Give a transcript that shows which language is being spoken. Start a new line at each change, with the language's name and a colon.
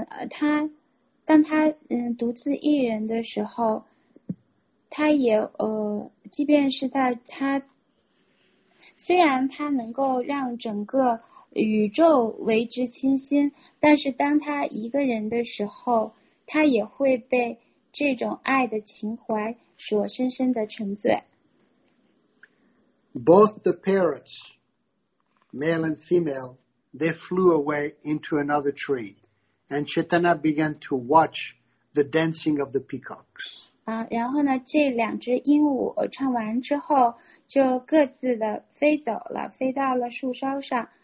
Chinese: 他当他独自一人的时候，他也即便是在他虽然他能够让整个宇宙为之倾心，但是当他一个人的时候，他也会被这种爱的情怀所深深的沉醉。
English: Both the parrots, male and female, they flew away into another tree, and Chaitanya began to watch the dancing of the peacocks.
Chinese: 然后呢，这两只鹦鹉唱完之后，就各自的飞走了，飞到了树梢上。